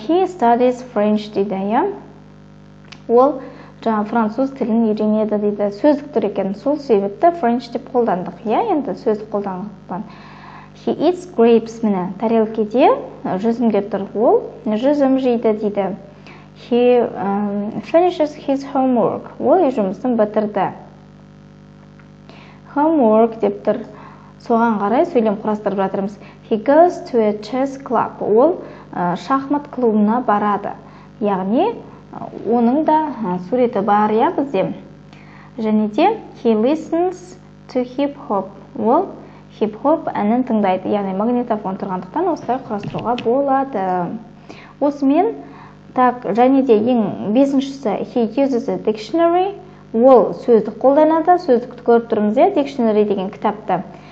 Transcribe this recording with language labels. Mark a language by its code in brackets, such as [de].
[en] He studies French дейді, иә? [kk] Ол жаңа француз тілін үйренеді дейді. Сөздік тұр екен, сол себепті French деп қолдандық, иә? Енді сөз қолданған. [en] He eats grapes, [kk] міне, тарелкеде жүзімдер тұр. Ол жүзім жейді дейді. [en] He finishes his homework. [kk] Ол өз жұмысын бітірді. Homework деп тұр. Соған қарай сөйлем құрастырып жатырмыз. [en] He goes to a chess club. [kk] Ол шахмат клубына барады. Яғни, оның да суреті бар, иә, бізде. [en] Және де, he listens to hip-hop. [kk] Ол hip-hop әнін тыңдайды. Яғни, магнитофон тұрғандықтан осылай құрастыруға болады. Осымен, так, және де, ең бесіншісі, [en] he uses a dictionary. [kk] Ол сөздік қолданады. Сөздікті көріп тұрмыз, иә, dictionary деген кітапты.